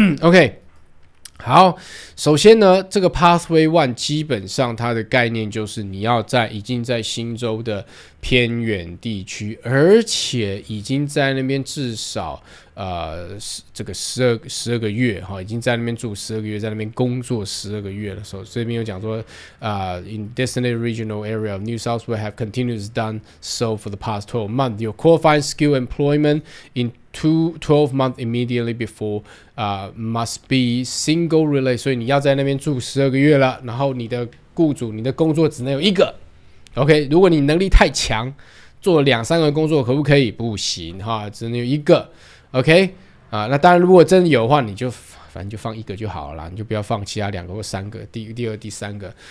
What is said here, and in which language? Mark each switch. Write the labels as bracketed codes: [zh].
[zh] OK，好，首先呢，这个 Pathway 1基本上它的概念就是你要在已经在新州的偏远地区，而且已经在那边至少这个12个月、哦、已经在那边住12个月，在那边工作12个月的时候，这边有讲说 [en] In designated regional area of New South Wales have continuously done so for the past 12 months. Your qualifying skill employment in 12 months immediately before must be single relay. [zh] 所以你要在那边住12个月了，然后你的雇主你的工作只能有一个。 OK， 如果你能力太强，做两三个工作可不可以？不行哈，只能有一个。OK， 那当然如果真的有的话，你就反正就放一个就好了啦，你就不要放其他两个或三个，第二、第三个。